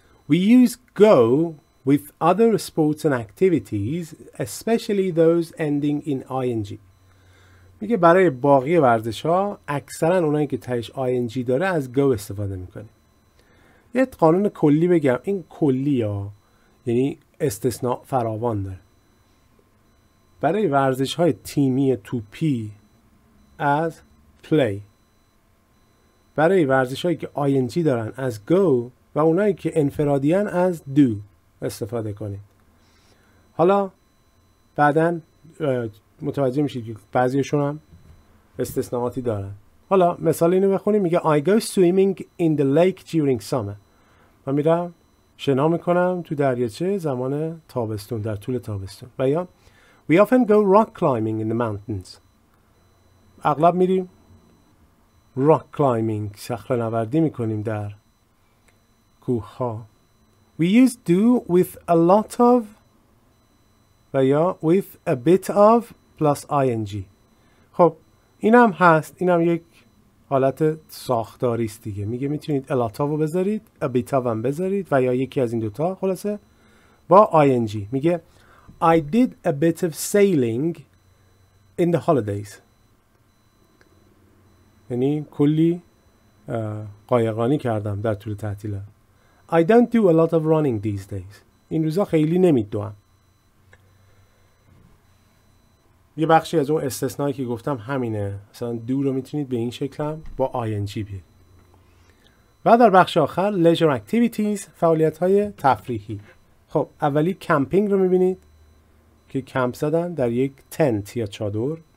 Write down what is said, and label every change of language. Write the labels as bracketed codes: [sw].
[en] We use go with other sports and activities, especially those ending in ing. [fa] میگه برای باقی ورزش ها اکثرا اونایی که تهش ing داره از go استفاده میکنه. یه قانون کلی بگم، این کلی ها یعنی استثناء فراوان داره. برای ورزش های تیمی توپی از play، برای ورزش هایی که ing دارن از go و اونایی که انفرادیان از do استفاده کنید. حالا بعدن متوجه میشید که بعضیشون هم استثناءاتی دارن. حالا مثال اینو بخونیم، میگه I go swimming in the lake during summer. من میرم شنا میکنم تو دریاچه زمان تابستون، در طول تابستون. [en] و یا We often go rock climbing in the mountains. [fa] اغلب میریم rock climbing، صخره نوردی میکنیم در کوه ها. [en] We use do with a lot of و یا with a bit of plus ing. [fa] خب اینم هست، اینم یک حالت ساختاری است دیگه. میگه میتونید a lot of رو بذارید، a bit of هم بذارید و یا یکی از این دوتا، خلاصه با ing. [en] میگه I did a bit of sailing in the holidays. [fa] یعنی کلی قایقرانی کردم در طول تعطیلات. [en] I don't do a lot of running these days. [fa] این روزا خیلی نمیدوام. یه بخشی از اون استثنایی که گفتم همینه. مثلا do رو میتونید به این شکل هم با ing بیارید. و در بخش آخر leisure activities، فعالیت‌های تفریحی. خب اولی کمپینگ رو میبینید که کمپ زدن در یک تنت یا چادر.